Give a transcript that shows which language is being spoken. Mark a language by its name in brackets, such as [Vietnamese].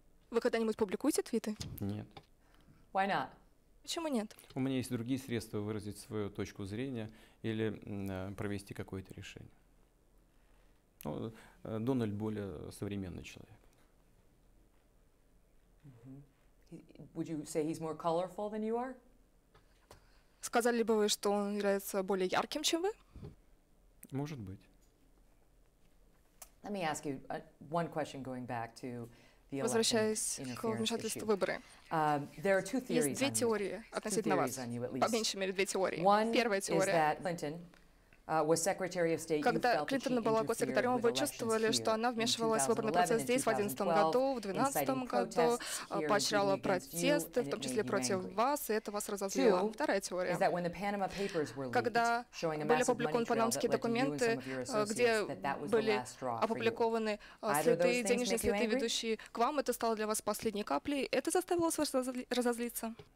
[Russian] Вы когда-нибудь публикуете твиты? Нет. [English] Why not? [Russian] Почему нет? У меня есть другие средства выразить свою точку зрения или провести какое-то решение. Ну, Дональд более современный человек. Mm-hmm. [English] Would you say he's more colorful than you are? [Russian] Сказали бы вы, что он является более ярким, чем вы? Может быть. [English] Let me ask you one question going back to the election interference issue. There are two theories on you, at least. [Russian] По меньшей мере, две теории. Первая теория. [English] One is that Clinton was Secretary of State. [Russian] Когда Клинтон была госсекретарем, вы чувствовали, что она вмешивалась в выборный процесс здесь в 2011 году, в 2012 году, поощряла протесты, в том числе против вас, и это вас разозлило. Вторая теория. Когда были опубликованы панамские документы, где были опубликованы следы, денежные следы, ведущие к вам, это стало для вас последней каплей, это заставило вас разозлиться?